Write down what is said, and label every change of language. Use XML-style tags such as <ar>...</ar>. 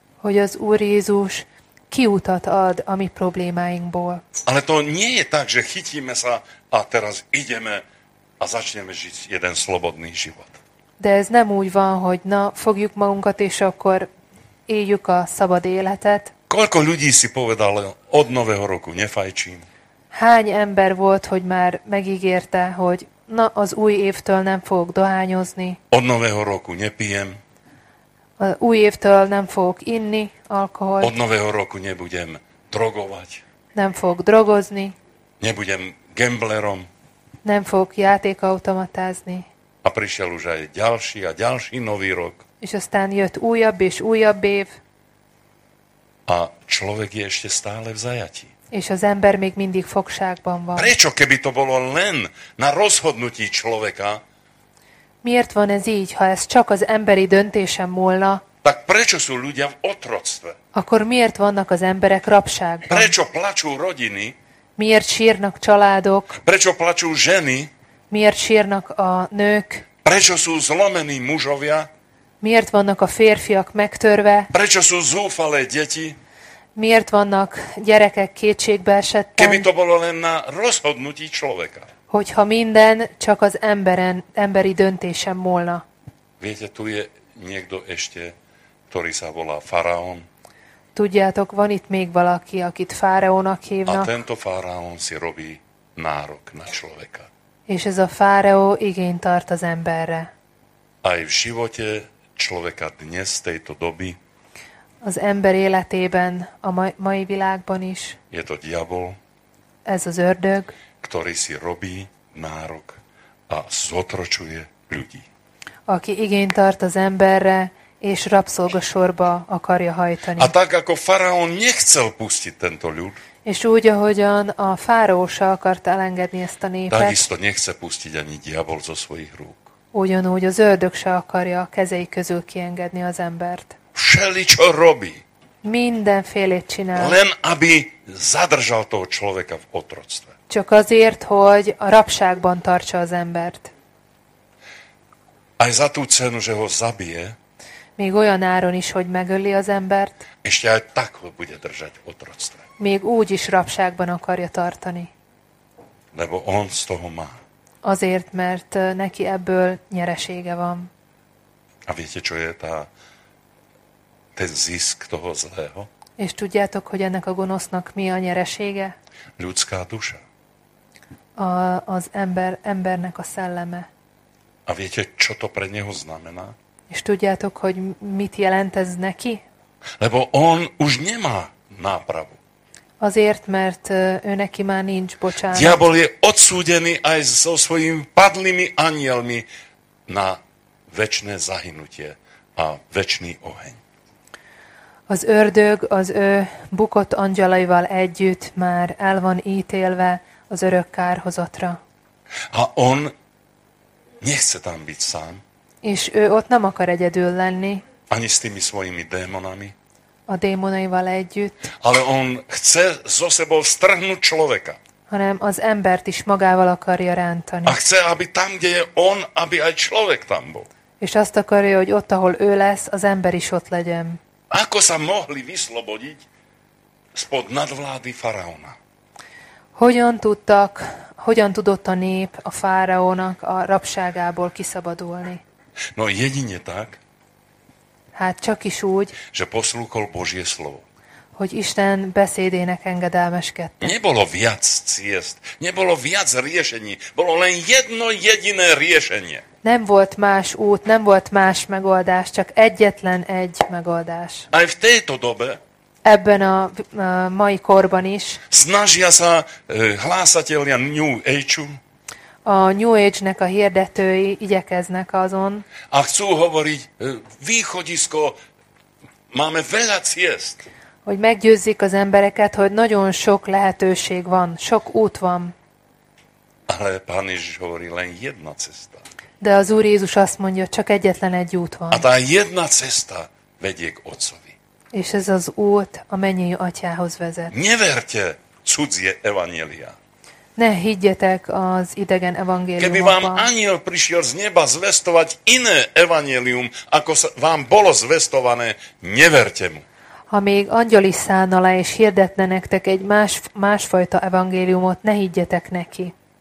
<hu>Hogy az Úr Jézus kiutat ad a mi problémáinkból.</hu> <sk>Ale to nie je tak, že chytíme sa a teraz ideme a začneme žiť jeden slobodný život.</sk> <hu>De ez nem úgy van, hogy na, fogjuk magunkat, és akkor éljük a szabad életet.</hu> <sk>Koľko ľudí si povedal, od nového roku nefajčím?</sk> <hu>Hány ember volt, hogy már megígérte, hogy na, az új évtől nem fogok dohányozni.</hu> <sk>Od nového roku nepijem.</sk> <hu>Az új évtől nem fogok inni alkoholt.</hu> <sk>Od nového roku nebudem drogovať.</sk> <hu>Nem fogok drogozni.</hu> <sk>Nebudem gamblerom.</sk> <hu>Nem fogok játékautomatázni.</hu> <sk>A prišiel už aj ďalší a ďalší nový rok.</sk> <hu>És aztán jött újabb és újabb év.</hu> <sk>A človek je ešte stále v zajatí.</sk> <hu>És az ember még mindig fogságban van.</hu> <sk>Prečo, keby to bolo len na rozhodnutí človeka?</sk> <hu>Miért van ez így, ha ez csak az emberi döntésem múlna?</hu> <sk>Tak prečo sú ľudia v otroctve?</sk> <hu>Akkor miért vannak az emberek rabságban?</hu> <sk>Prečo plačú rodiny?</sk> <hu>Miért sírnak családok?</hu> <sk>Prečo plačú ženy?</sk> <hu>Miért sírnak a nők?</hu> <sk>Prečo sú zlomení mužovia?</sk> <hu>Miért vannak a férfiak megtörve?</hu> <sk>Prečo sú zúfalé deti?</sk> <hu>Miért vannak gyerekek kétségbe esetten?</hu> <sk>Keby to bolo len na rozhodnutí človeka.</sk> <hu>hogyha minden csak az emberi döntésen múlna.</hu> <sk>Viete, tu je niekto ešte, ktorý sa volá faraón.</sk> <hu>Tudjátok, van itt még valaki, akit fáraónak hívnak.</hu> <sk>A tento faraón si robí nárok na človeka.</sk> <hu>És ez a fáraó igényt tart az emberre.</hu> <sk>Aj v živote človeka dnes tejto doby.</sk> <hu>Az ember életében, a mai világban is.</hu> <sk>Je to diabol.</sk> <hu>Ez az ördög.</hu> <sk>Ktorý si robí nárok a zotročuje ľudí.</sk> <hu>Aki igényt tart az emberre, és rabszolgasorba akarja hajtani.</hu> <sk>A tak, ako faraón nechcel pustiť tento ľud.</sk> <hu>És úgy, ahogyan a fáraó se akart elengedni ezt a népet.</hu> <sk>Takisto nechce pustiť ani diabol zo svojich rúk.</sk> <hu>Ugyanúgy az ördög se akarja a kezei közül kiengedni az embert.</hu> <sk>Všeličo robí.</sk> <hu>Mindenfélét csinál.</hu> <sk>Len, aby zadržal toho človeka v otroctve.</sk> <hu>Csak azért, hogy a rabságban tartsa az embert.</hu> <sk>Aj za tú cenu, že ho zabije.</sk> <hu>Még olyan áron is, hogy megöli az embert.</hu> <sk>És aj tak ho bude držať v otroctve.</sk> <hu>Még úgy is rabságban akarja tartani.</hu> <sk>Lebo on z toho má.</sk> <hu>Azért, mert neki ebből nyeresége van.</hu> <sk>A viete, čo je tá, ten zisk toho zlého?</sk> <hu>És tudjátok, hogy ennek a gonosznak mi a nyeresége?</hu> <sk>Ľudská duša.</sk> <hu>Az embernek a szelleme.</hu> <sk>A viete, čo to pre neho znamená?</sk> <hu>És tudjátok, hogy mit jelent ez neki?</hu> <sk>Lebo on už nemá nápravu.</sk> <hu>Azért, mert ő neki már nincs bocsánat.</hu> <sk>Diabol je odsúdený aj so svojimi padlými anielmi na večné zahynutie a večný oheň.</sk> <hu>Az ördög az ő bukott angyalaival együtt már el van ítélve az örök kárhozatra.</hu> <sk>A on nechce tam byť sám.</sk> <hu>És ő ott nem akar egyedül lenni.</hu> <sk>Ani s tými svojimi démonami.</sk> <hu>A démonaival együtt.</hu> <sk>Ale on chce zo sebou strhnúť človeka.</sk> <hu>Hanem az embert is magával akarja rántani.</hu> <sk>A chce, aby tam, kde je on, aby aj človek tam bol.</sk> <hu>És azt akarja, hogy ott, ahol ő lesz, az ember is ott legyen.</hu> <sk>Ako sa mohli vyslobodiť spod nadvlády faraóna?</sk> <hu>Hogyan tudott a nép a fáraónak a rabságából kiszabadulni?</hu> <sk>No, jedine tak.</sk> <hu>Hát csak is úgy,</hu> <sk>že poslúchol Božie slovo.</sk> <hu>Hogy Isten beszédének engedelmeskedte.</hu> <sk>Nebolo viac ciest, nebolo viac riešení, bolo len jedno jediné riešenie.</sk> <hu>Nem volt más út, nem volt más megoldás, csak egyetlen egy megoldás.</hu> <sk>Aj v tejto dobe,</sk> <hu>ebben a mai korban is,</hu> <sk>snažia sa hlásatelia New Age-u,</sk> <hu>a New Age-nek a hirdetői igyekeznek azon.</hu> <sk>A chcú hovoriť, východisko, máme veľa ciest.</sk> <hu>Hogy meggyőzzik az embereket, hogy nagyon sok lehetőség van, sok út van.</hu> <sk>Ale Pán Ježiš hovorí, len jedna cesta.</sk> <hu>De az Úr Jézus azt mondja, csak egyetlen egy út van.</hu> <sk>A tá jedna cesta vedie k Otcovi.</sk> <hu>És ez az út a mennyei Atyához vezet.</hu> <sk>Neverte cudzie evanjeliá.</sk> <hu>Ne higgyetek az idegen evangéliumokban.</hu> <sk>Keby vám aniel prišiel z neba zvestovať iné evangélium, ako vám bolo zvestované, neverte mu.</sk> <hu>Ha még angyali szállna le és hirdetne nektek egy másfajta evangéliumot, ne higgyetek neki.</hu>